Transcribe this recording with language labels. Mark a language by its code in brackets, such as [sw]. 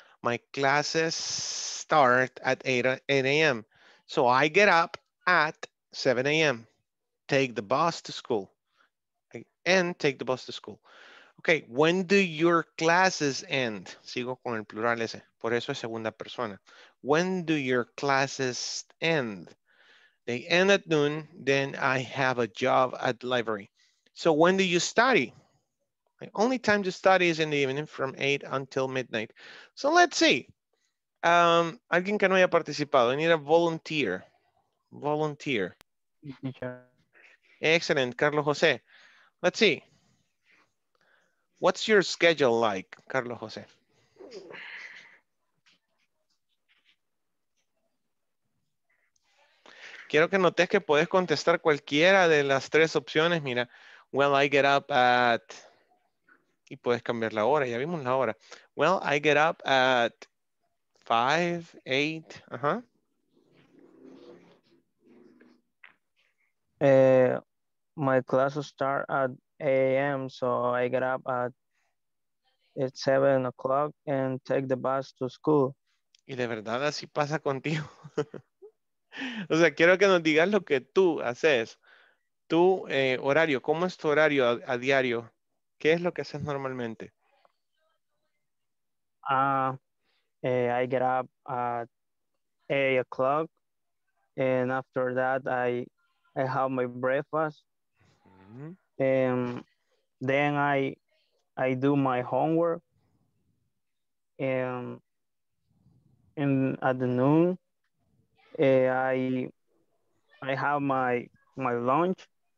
[en] My classes start at 8 a.m. So I get up at 7 a.m. Take the bus to school. And take the bus to school. Okay, when do your classes end? [es] Sigo con el plural S, por eso es segunda persona. [en] When do your classes end? They end at noon, then I have a job at the library. So when do you study? My only time to study is in the evening from 8 until midnight. So let's see. [es] Alguien que no haya participado. [en] I need a volunteer. Volunteer. Excellent. Carlos José. Let's see. What's your schedule like, Carlos José? [es] quiero que notes que puedes contestar cualquiera de las tres opciones. Mira, [en] well, I get up at, [es] y puedes cambiar la hora, ya vimos la hora. [en] Well, I get up at 5, 8, ajá. My classes start at 8 a.m., so I get up at 7 o'clock and take the bus to school. [es] Y de verdad así pasa contigo. O sea, quiero que nos digas lo que tú haces. Tu horario, ¿cómo es tu horario a diario? ¿Qué es lo que haces normalmente? [en] I get up at 8 o'clock and after that I have my breakfast. Mm-hmm. Then I do my homework. And at the noon, I have my lunch.